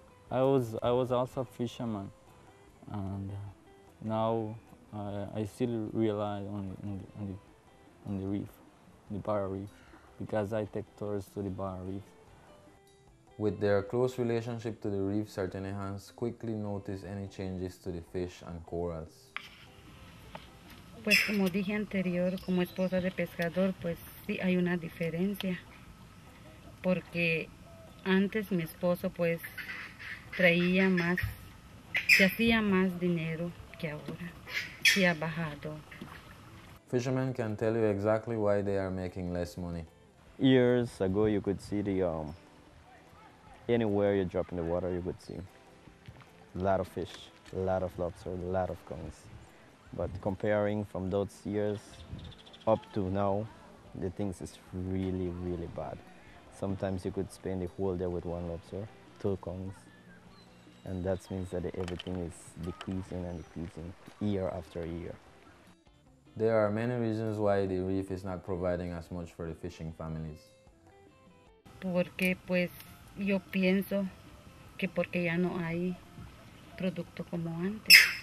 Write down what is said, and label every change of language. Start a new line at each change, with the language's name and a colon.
English: I was also a fisherman, and now I still rely on the reef, the barrier reef, because I take tours to the barrier reef. With their close relationship to the reef, Sartenejans quickly notice any changes to the fish and corals.
Spanish: Pues como dije anterior, como esposa de pescador, pues sí hay una diferencia. Porque antes mi esposo pues traía más, se hacía más dinero que ahora. Sí ha bajado.
English: Fishermen can tell you exactly why they are making less money. Years ago you could see the anywhere you drop in the water you could see a lot of fish, a lot of lobster, a lot of conchs. But comparing from those years up to now, the things is really, really bad. Sometimes you could spend the whole day with one lobster, two conchs, and that means that everything is decreasing and decreasing year after year. There are many reasons why the reef is not providing as much for the fishing families.
Spanish: Porque pues yo pienso que porque ya no hay producto como antes.